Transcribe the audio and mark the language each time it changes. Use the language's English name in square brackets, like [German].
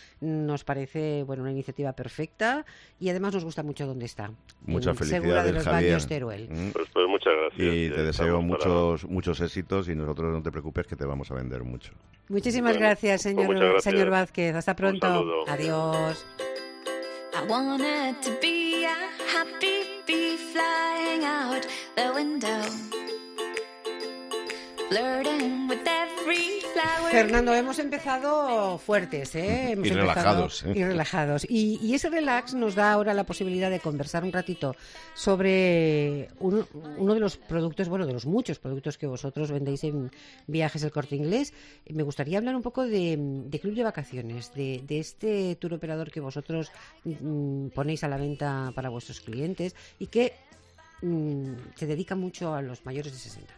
[Spanish] Nos parece, bueno, una iniciativa perfecta y además nos gusta mucho dónde está. Muchas felicidades, Javier. Segura de los Baños Teruel. Pues muchas gracias. Y te deseo muchos éxitos y nosotros no te preocupes que te vamos a vender mucho. Muchísimas gracias, señor, pues gracias, señor Vázquez. Hasta pronto. Un saludo. Adiós. [English] I wanted to be a happy bee flying out the window, flirting with every flower. [Spanish] Fernando, hemos empezado fuertes, ¿eh? Hemos y relajados. ¿Eh? Y relajados. Y ese relax nos da ahora la posibilidad de conversar un ratito sobre uno de los productos, bueno, de los muchos productos que vosotros vendéis en Viajes El Corte Inglés. Me gustaría hablar un poco de Club de Vacaciones, de este tour operador que vosotros ponéis a la venta para vuestros clientes y que se dedica mucho a los mayores de 60.